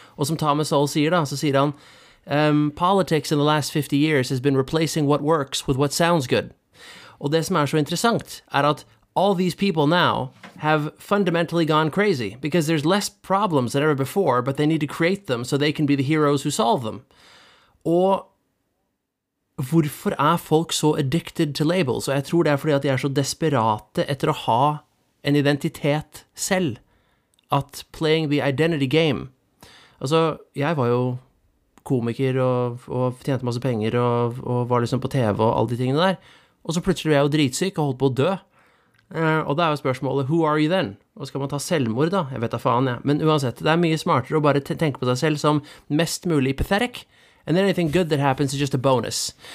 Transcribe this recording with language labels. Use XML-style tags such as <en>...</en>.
<no>Og som Thomas Sowell sier da, så sier han,</no> <en>politics in the last 50 years has been replacing what works with what sounds good.</en> <no>Og det som er så interessant er at</no> <en>all these people now have fundamentally gone crazy because there's less problems than ever before, but they need to create them so they can be the heroes who solve them.</en> <no>Og hvorfor er folk så</no> <en>addicted to labels?</en> <no>Og jeg tror det er fordi at de er så desperate etter å ha en identitet selv, at</no> <en>playing the identity game.</en> <no>Altså, jeg var jo komiker og tjente masse penger og var liksom på TV og alle de tingene der. Og så plutselig ble jeg jo dritsyk og holdt på å dø. Og da er jo spørsmålet,</no> <en>who are you then?</en> <no>Og skal man ta selvmord da? Jeg vet da faen, ja. Men uansett, det er mye smartere å bare tenke på seg selv som mest mulig pathetic.</no> <en>And then anything good that happens is just a bonus.</en>